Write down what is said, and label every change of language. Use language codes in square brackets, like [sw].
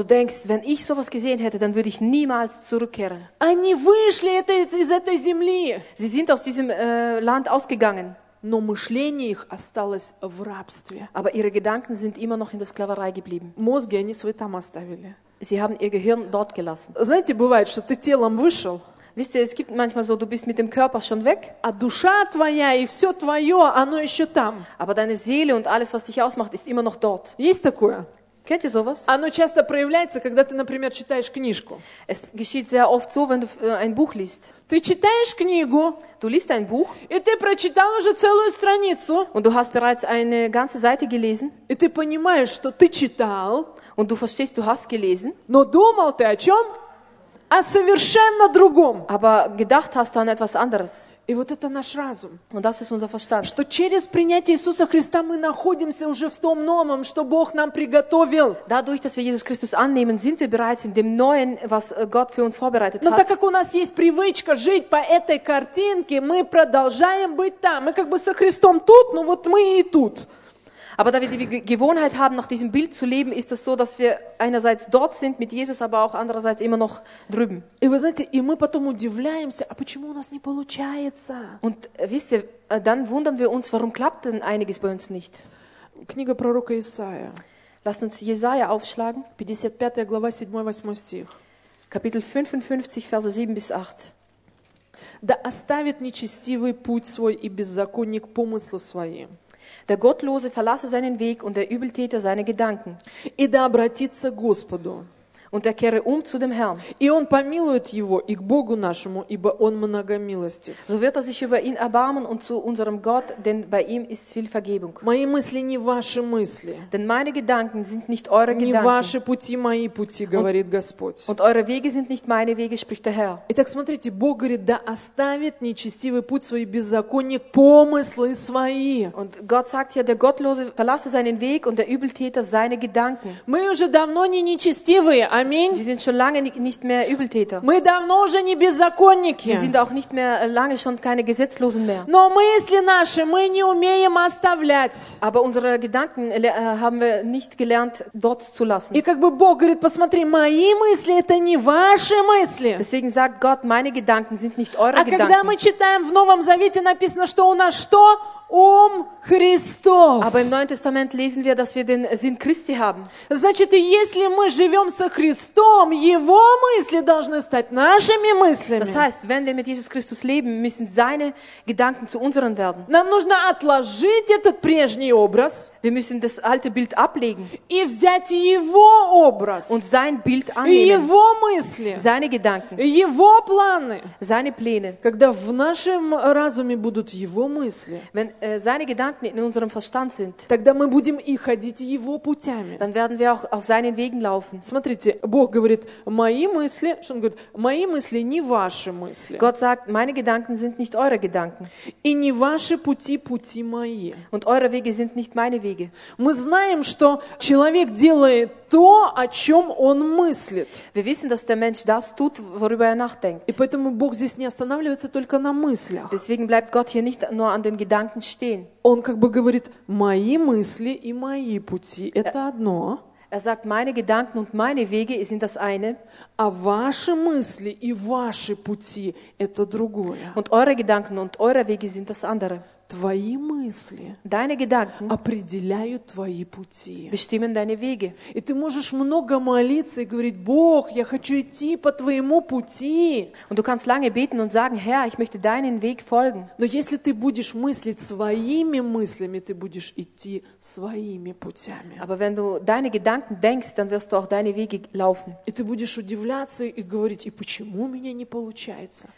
[de] du denkst, wenn ich sowas gesehen hätte, dann würde ich niemals zurückkehren. [ru] Они вышли из этой земли. [de] Sie sind aus diesem Land ausgegangen. [ru] Но мышление их осталось в рабстве. [de] Aber ihre Gedanken sind immer noch in der Sklaverei geblieben. [ru] Мозги они свои там оставили. [de] Sie haben ihr Gehirn dort gelassen. [ru] Знаете, бывает, что ты телом вышел. [de] Wisst ihr, es gibt manchmal so, du bist mit dem Körper schon weg. [ru] А душа твоя и все твое, оно еще там. [de] Aber deine Seele und alles, was dich ausmacht, ist immer noch dort. [ru] Есть такое? [de] Kennt ihr sowas? [ru] Оно часто проявляется, когда ты, например, читаешь книжку. [de] Es geschieht sehr oft so, wenn du ein Buch liest. [ru] Ты читаешь книгу. [de] Du liest ein Buch. [ru] И ты прочитал уже целую страницу. [de] Und du hast bereits eine ganze Seite gelesen. [ru] И ты понимаешь, что ты читал. [de] Und du verstehst, du hast gelesen. [ru] Но думал ты о чем? О совершенно другом. [de] Aber gedacht hast du an etwas anderes. [ru] И вот это наш разум. [de] Und das ist unser Verstand. [ru] Что через принятие Иисуса Христа мы находимся уже в том новом, что Бог нам приготовил. [de] Dadurch, dass wir Jesus Christus annehmen, sind wir bereits in dem Neuen, was Gott für uns vorbereitet [ru] Но [de] hat. [ru] Но так как у нас есть привычка жить по этой картинке, мы продолжаем быть там. Мы как бы со Христом тут, но вот мы и тут. [de] Aber da wir die Gewohnheit haben, nach diesem Bild zu leben, ist es so, dass wir einerseits dort sind mit Jesus, aber auch andererseits immer noch drüben. Und wisst ihr, dann wundern wir uns, warum klappt denn einiges bei uns nicht. [ru] Книга пророка Исаия. [de] Lasst uns Jesaja aufschlagen. [ru] 55. глава, 7-8 стих. [de] Kapitel 55, Verse 7-8. [ru] Да оставит нечестивый путь свой и беззаконник помыслы свои. [de] Der Gottlose verlasse seinen Weg und der Übeltäter seine Gedanken. [ru] И да обратится Господу. [de] Und er kehre zu dem Herrn. [ru] И он помилует его и к Богу нашему, ибо он многомилостив. [de] So wird er sich über ihn erbarmen und zu unserem Gott, denn bei ihm ist viel Vergebung. [ru] Мои мысли не ваши мысли. [de] Denn meine Gedanken sind nicht eure Gedanken. [ru] Не ваши пути мои пути, говорит Господь. [de] Und eure Wege sind nicht meine Wege, spricht der Herr. [ru] Итак, смотрите, Бог говорит, да оставит нечестивый путь свой беззаконник помыслы свои. [de] Und Gott sagt hier, der Gottlose verlasse seinen Weg und der Übeltäter seine Gedanken. [ru] Мы уже давно не нечестивые. Аминь. [de] Sie sind schon lange nicht mehr Übeltäter. [ru] Мы давно уже не беззаконники. [de] Sie sind auch nicht mehr lange schon keine Gesetzlosen mehr. [ru] Но мысли наши мы не умеем оставлять. [de] Aber unsere Gedanken haben wir nicht gelernt dort zu lassen. [ru] И как бы Бог говорит, посмотри, мои мысли это не ваши мысли. [de] Deswegen sagt Gott, meine Gedanken sind nicht eure [ru] а [de] Gedanken. [ru] А когда мы читаем в Новом Завете написано, что у нас что? Ум Христов. [de] Aber im Neuen Testament lesen wir, dass wir den Sinn Christi haben. [ru] Значит, если мы живем со Христом, его мысли должны стать нашими мыслями. [de] Das heißt, wenn wir mit Jesus Christus leben, müssen seine Gedanken zu unseren werden. [ru] Нам нужно отложить этот прежний образ. [de] Wir müssen das alte Bild ablegen. [ru] И взять его образ. [de] Und sein Bild annehmen. [ru] Его мысли. [de] Seine Gedanken. [ru] Его планы. [de] Seine Pläne. [ru] Когда в нашем разуме будут его мысли. [de] Seine Gedanken in unserem Verstand sind, [ru] тогда мы будем и ходить его путями. [de] Dann werden wir auch auf seinen Wegen laufen. [ru] Смотрите, Бог говорит, мои мысли, что он говорит, мои мысли не ваши мысли. [de] Gott sagt, meine Gedanken sind nicht eure Gedanken. [ru] И не ваши пути, пути мои. [de] Und eure Wege sind nicht meine Wege. [ru] Мы знаем, что человек делает то, о чем он мыслит. [de] Wir wissen, dass der Mensch das tut, worüber er nachdenkt. [ru] И поэтому Бог здесь не останавливается только на мыслях. [de] Deswegen bleibt Gott hier nicht nur an den Gedanken. [ru] Он как бы говорит, мои мысли и мои пути – это одно. [de] Er sagt, meine Gedanken und meine Wege sind das eine. [ru] А ваши мысли и ваши пути – это другое. [de] Und eure Gedanken und eure Wege sind das andere. [ru] Твои мысли [de] deine Gedanken [ru] определяют твои пути. [de] Bestimmen deine Wege. [ru] И ты можешь много молиться и говорить: «Бог, я хочу идти по твоему пути». [de] Und du kannst lange beten und sagen: «Herr, ich möchte deinen Weg folgen». [ru] Но если ты будешь мыслить своими мыслями, ты будешь идти своими путями. [de] Aber wenn du deine Gedanken denkst, dann wirst du auch deine Wege laufen. [ru] И ты будешь удивляться и говорить: «И почему у меня не получается?»